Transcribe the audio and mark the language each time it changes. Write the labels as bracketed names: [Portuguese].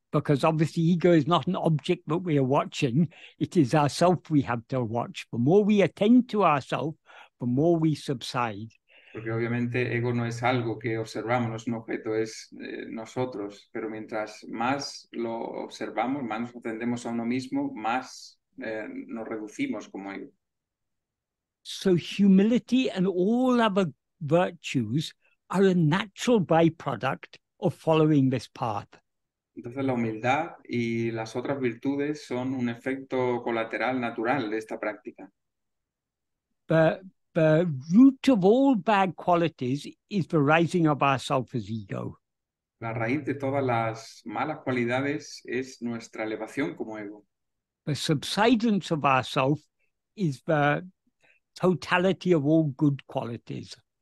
[English] Because obviously ego is not an object that we are watching. It is ourself we have to watch. The more we attend to ourself, the more we subside. [Spanish] Porque obviamente ego no es algo que observamos, no es un objeto, es nosotros. Pero mientras más lo observamos, más nos atendemos a uno mismo, más nos reducimos como ego. [English] So humility and all other virtues are a natural byproduct of following this path. [Spanish] Entonces la humildad y las otras virtudes son un efecto colateral natural de esta práctica. [English] The root of all bad qualities is the rising of ourselves as ego. [Spanish] La raíz de todas las malas cualidades es nuestra elevación como ego. [English] The subsidence of ourself is the totality of all good qualities.